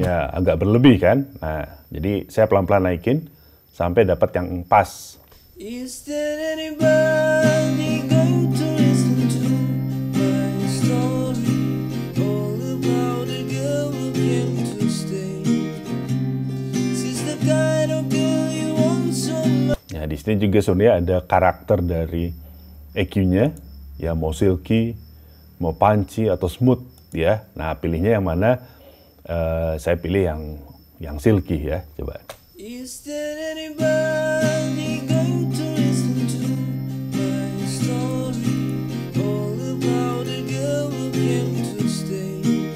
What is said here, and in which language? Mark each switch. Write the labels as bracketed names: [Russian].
[Indonesian] Ya, agak berlebih kan? Nah, jadi saya pelan-pelan naikin sampai dapat yang pas. [English] Is there anybody going to listen to my story? All about a girl who came to stay. She's the kind of girl you want so much. [Indonesian] Nah, di sini juga sebenarnya ada karakter dari EQ-nya, ya mau silky, mau punchy atau smooth, ya. Nah, pilihnya yang mana? Saya pilih yang silky ya, coba. [English] Is there anybody going to listen to my story? All about a girl who came to stay.